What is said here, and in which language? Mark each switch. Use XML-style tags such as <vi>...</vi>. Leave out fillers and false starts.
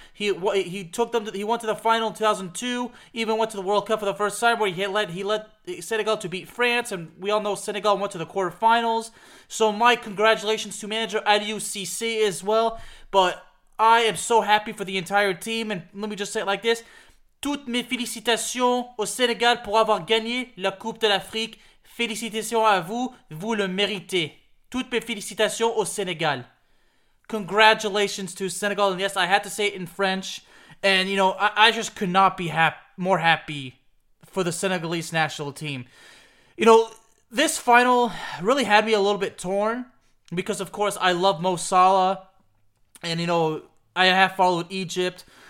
<en>He went to the final in 2002. Even went to the World Cup for the first time, where he led Senegal to beat France. And we all know Senegal went to the quarterfinals. So my congratulations to manager Aliou Cissé as well. But I am so happy for the entire team. And let me just say it like this:</en> <fr>toutes mes félicitations au Sénégal pour avoir gagné la Coupe de l'Afrique. Félicitations à vous, vous le méritez. Toutes mes félicitations au Sénégal.</fr> <en>Congratulations to Senegal. And yes, I had to say it in French. And, you know, I just could not be more happy for the Senegalese national team. You know, this final really had me a little bit torn. Because, of course, I love Mo Salah. And, you know, I have followed Egypt.</en>